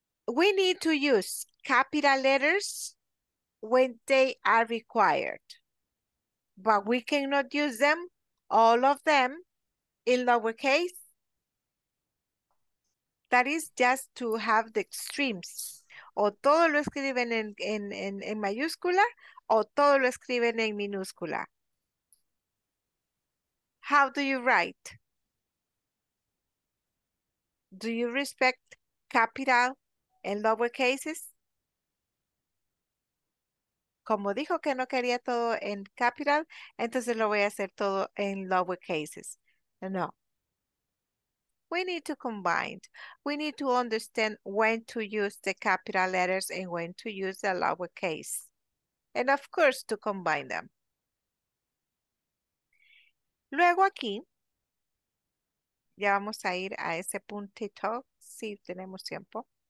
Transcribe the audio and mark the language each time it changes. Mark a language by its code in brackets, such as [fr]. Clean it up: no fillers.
[en] We need to use capital letters when they are required. but we cannot use them, all of them, in lowercase. That is just to have the extremes. [es] O todo lo escriben en mayúscula, o todo lo escriben en minúscula. [en] How do you write? Do you respect capital and lower cases? [es] Como dijo que no quería todo en capital, entonces lo voy a hacer todo en lower cases. [en] No. We need to combine. We need to understand when to use the capital letters and when to use the lowercase. And of course, to combine them. [es] Luego aquí, ya vamos a ir a ese puntito, si tenemos tiempo.